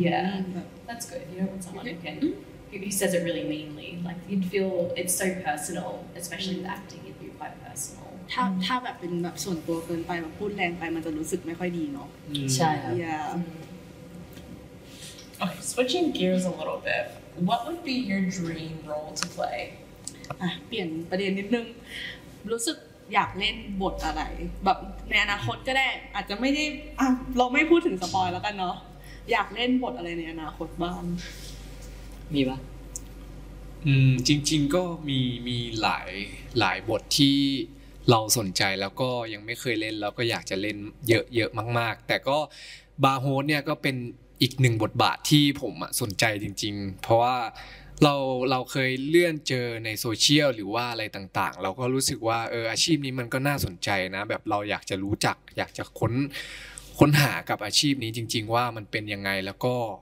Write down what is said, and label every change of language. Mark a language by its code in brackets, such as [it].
[en] yeah that's good you know when someone mm-hmm. who says it really meanly like you'd feel it's so personal especially mm-hmm. with acting it'd be quite personal [th] ถ้าแบบเป็นแบบส่วนตัวเกินไปแบบพูดแรงไปมันจะรู้สึกไม่ค่อยดีเนาะ ใช่ค่ะ [en] yeah okay switching gears a little bitWhat would be your dream role to play? [th] เปลี่ยนประเด็นนิดนึงรู้สึกอยากเล่นบทอะไรแบบในอนาคตก็ได้อาจจะไม่ได้เราไม่พูดถึงสปอยแล้วกันเนาะอยากเล่นบทอะไรในอนาคตบ้าง มีปะ จริงๆก็มีหลายบทที่เราสนใจแล้วก็ยังไม่เคยเล่นแล้วก็อยากจะเล่นเยอะๆมากๆแต่ก็บาโฮสเนี่ยก็เป็นอีกหนึ่งบทบาทที่ผมสนใจจริงๆเพราะว่าเราเคยเลื่อนเจอในโซเชียลหรือว่าอะไรต่างๆเราก็รู้สึกว่าอาชีพนี้มันก็น่าสนใจนะแบบเราอยากจะรู้จักอยากจะค้นหากับอาชีพนี้จริงๆว่ามันเป็นยังไงแล้วก็